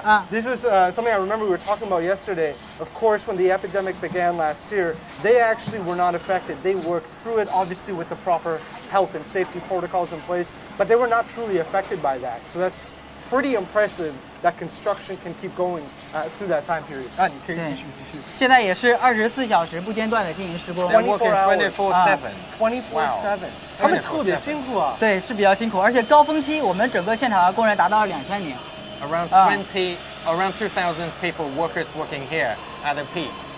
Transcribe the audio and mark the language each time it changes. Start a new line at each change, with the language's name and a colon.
English: This is something I remember we were talking about yesterday. Of course, when the epidemic began last year, they actually were not affected. They worked through it, obviously, with the proper health and safety protocols in place, but they were not truly affected by that. So that's pretty impressive that construction can keep going through that time period.
Chinese: 啊，你可以继续。现在也是24小时不间断的进行施工。
English: 24 hours. 24/7. 24/7.
Chinese: 他们特别辛苦啊。对，是比较辛苦，而且高峰期我们整个现场的工人达到了2000名。
English: Around 2,000 people, workers working here at the peak.